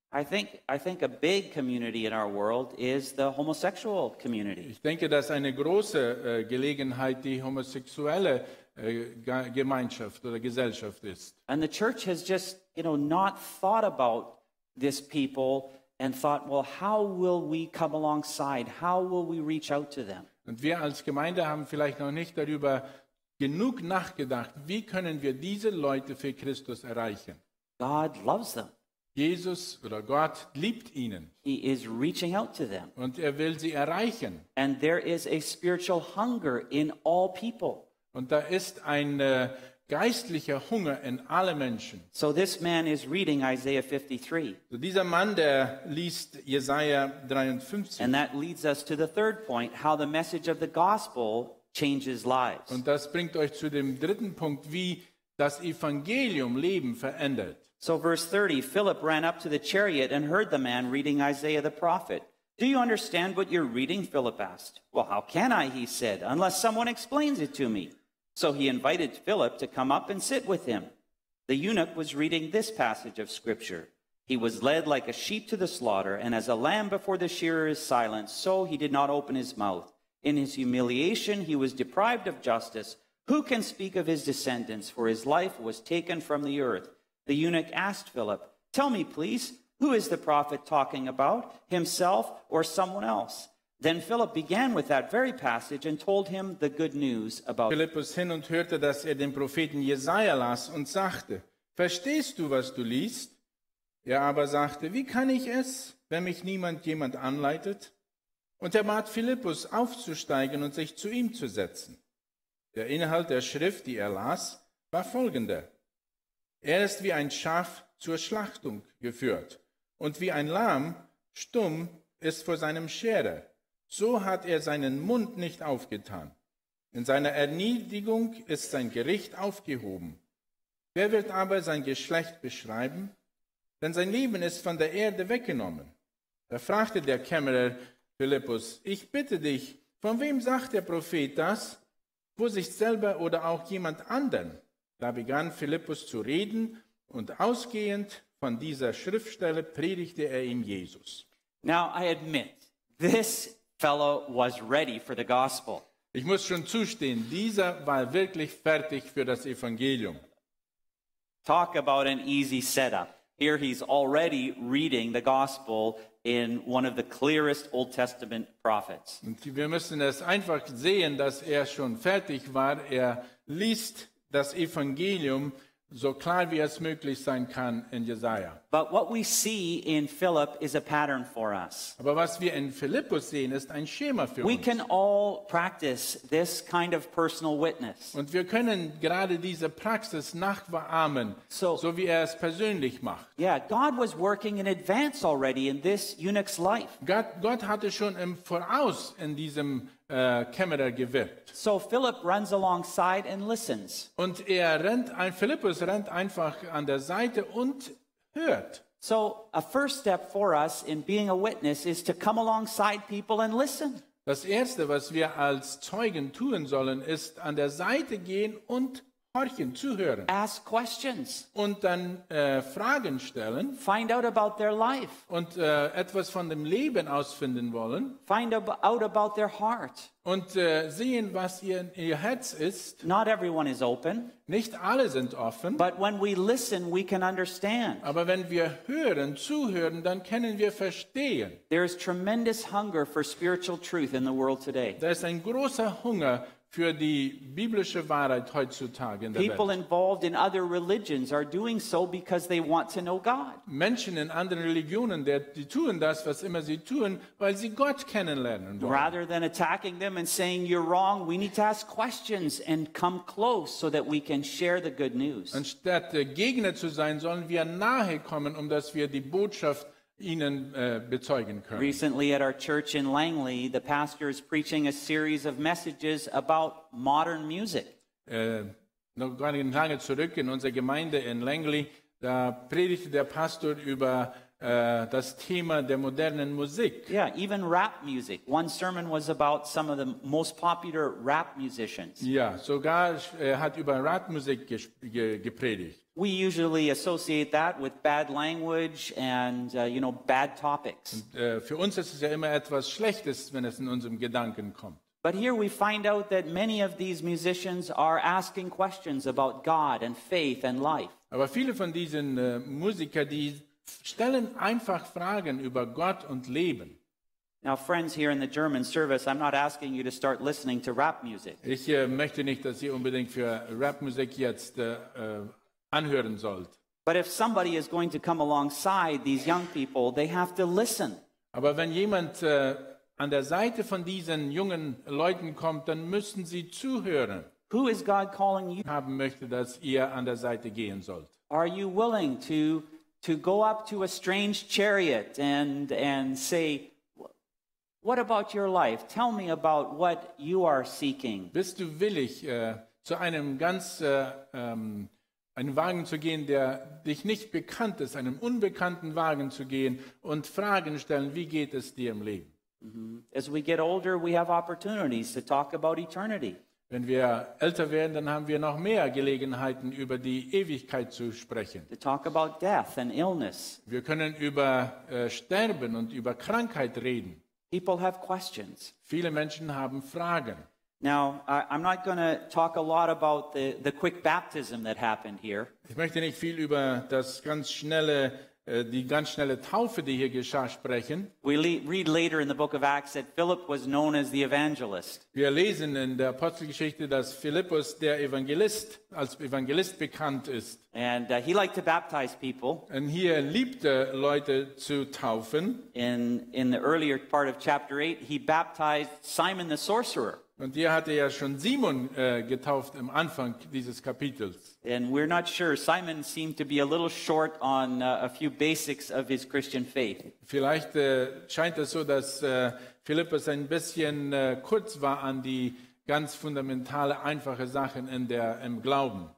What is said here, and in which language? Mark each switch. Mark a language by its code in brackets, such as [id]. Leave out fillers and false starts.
[en] I think a big community in our world is the homosexual community. [de] Ich denke, dass eine große Gelegenheit die homosexuelle Gemeinschaft oder Gesellschaft ist. [en] And the church has just, you know, not thought about this people and thought, well, how will we come alongside? How will we reach out to them? [de] Und wir als Gemeinde haben vielleicht noch nicht darüber genug nachgedacht, wie können wir diese Leute für Christus erreichen? [en] God loves them. [de] Jesus oder Gott liebt ihnen. [en] He is reaching out to them. [de] Und er will sie erreichen. [en] And there is a spiritual hunger in all people. [de] Und da ist ein geistlicher Hunger in alle Menschen. [en] So this man is reading Isaiah 53. [de] So dieser Mann, der liest Jesaja 53. [en] And that leads us to the third point, how the message of the gospel changes lives. [de] Und das bringt euch zu dem dritten Punkt, wie das Evangelium Leben verändert. [en] So verse 30, Philip ran up to the chariot and heard the man reading Isaiah the prophet. Do you understand what you're reading? Philip asked. Well, how can I, he said, unless someone explains it to me. So he invited Philip to come up and sit with him. The eunuch was reading this passage of scripture. He was led like a sheep to the slaughter, and as a lamb before the shearer is silent, so he did not open his mouth. In his humiliation, he was deprived of justice. Who can speak of his descendants? For his life was taken from the earth. The eunuch asked Philip, tell me, please, who is the prophet talking about, himself or someone else? Then Philip began with that very passage and told him the good news about [de] Philippus hin und hörte, dass er den Propheten Jesaja las und sagte, verstehst du, was du liest? Er aber sagte, wie kann ich es, wenn mich niemand jemand anleitet? Und er bat Philippus, aufzusteigen und sich zu ihm zu setzen. Der Inhalt der Schrift, die er las, war folgender. Er ist wie ein Schaf zur Schlachtung geführt und wie ein Lamm stumm ist vor seinem Scherer. So hat er seinen Mund nicht aufgetan. In seiner Erniedrigung ist sein Gericht aufgehoben. Wer wird aber sein Geschlecht beschreiben? Denn sein Leben ist von der Erde weggenommen. Da fragte der Kämmerer, Philippus, ich bitte dich, von wem sagt der Prophet das? Wo sich selber oder auch jemand anderen? Da begann Philippus zu reden und ausgehend von dieser Schriftstelle predigte er ihm Jesus. [en] Now I admit, this fellow was ready for the gospel. [de] Ich muss schon zustehen, dieser war wirklich fertig für das Evangelium. [en] Talk about an easy setup. Here he's already reading the gospel in one of the clearest Old Testament prophets. [de] Und wir müssen es einfach sehen, dass er schon fertig war. Er liest das Evangelium, so klar wie es möglich sein kann in Jesaja. [en] But what we see in Philip is a pattern for us. [de] Aber was wir in Philippus sehen, ist ein Schema für uns. [en] We can all practice this kind of personal witness. [de] Und wir können gerade diese Praxis nachahmen, so wie es persönlich macht. [en] Yeah, God was working in advance already in this eunuch's life. [de] Gott hatte schon im Voraus in diesem Kämmerer gewirkt. [en] So Philip runs alongside and listens. [de] Und Philippus rennt einfach an der Seite und hört. [en] So a first step for us in being a witness is to come alongside people and listen. [de] Das erste, was wir als Zeugen tun sollen, ist an der Seite gehen und horchen, zuhören. [en] Ask questions. [de] Und dann Fragen stellen. [en] Find out about their life. [de] Und etwas von dem Leben ausfinden wollen. [en] Find out about their heart. [de] Und sehen, was ihr Herz ist. [en] Not everyone is open. [de] Nicht alle sind offen. [en] But when we listen, we can understand. [de] Aber wenn wir hören, zuhören, dann können wir verstehen. [en] There is tremendous hunger for spiritual truth in the world today. [de] Da ist ein großer Hunger für die biblische Wahrheit heutzutage in der [en] People [de] Welt. [en] Involved in other religions are doing so because they want to know God. [de] Menschen in anderen Religionen, die tun das, was immer sie tun, weil sie Gott kennenlernen wollen. [en] Rather than attacking them and saying you're wrong, we need to ask questions and come close so that we can share the good news. [de] Anstatt Gegner zu sein, sollen wir nahe kommen, um dass wir die Botschaft ihnen bezeugen können. [en] Recently at our church in Langley, the pastor is preaching a series of messages about modern music. [de] Noch gar nicht lange zurück in unserer Gemeinde in Langley, da predigte der Pastor über das Thema der modernen Musik. [en] Yeah, even rap music. One sermon was about some of the most popular rap musicians. [de] Ja, sogar hat über Rapmusik gepredigt. [en] We usually associate that with bad language and, bad topics. [de] Für uns ist es ja immer etwas Schlechtes, wenn es in unserem Gedanken kommt. [en] But here we find out that many of these musicians are asking questions about God and faith and life. [de] Aber viele von diesen Musikern, die stellen einfach Fragen über Gott und Leben. [en] Now, friends here in the German service, I'm not asking you to start listening to rap music. [de] Ich möchte nicht, dass ihr unbedingt für Rapmusik jetzt anhören sollt. [en] But if somebody is going to come alongside these young people, they have to listen. [de] Aber wenn jemand an der Seite von diesen jungen Leuten kommt, dann müssen sie zuhören. [en] Who is God calling you? [de] Haben möchte, dass ihr an der Seite gehen sollt. [en] Are you willing to go up to a strange chariot and say, what about your life? Tell me about what you are seeking. [de] Bist du willig, zu einem ganz einen Wagen zu gehen, der dich nicht bekannt ist, einem unbekannten Wagen zu gehen und Fragen stellen, wie geht es dir im Leben? [en] As we get older, we have opportunities to talk about eternity. [de] Wenn wir älter werden, dann haben wir noch mehr Gelegenheiten, über die Ewigkeit zu sprechen. [en] To talk about death and illness. [de] Wir können über Sterben und über Krankheit reden. [en] People have questions. [de] Viele Menschen haben Fragen. [en] Now, I'm not going to talk a lot about the quick baptism that happened here. [de] Ich möchte nicht viel über die ganz schnelle Taufe, die hier geschah, sprechen. [en] We read later in the book of Acts that Philip was known as the evangelist. [de] Wir lesen in der Apostelgeschichte, dass Philippus der Evangelist, als Evangelist bekannt ist. [en] And he liked to baptize people. [de] Und hier liebte Leute zu taufen. [en] In the earlier part of chapter 8, he baptized Simon the sorcerer. [de] Und hier hatte ja schon Simon getauft im Anfang dieses Kapitels. [en] And we're not sure. Simon seemed to be a little short on a few basics of his Christian faith. [de] Vielleicht scheint es so, dass Philippus ein bisschen kurz war an die ganz fundamentale, einfache Sachen im Glauben.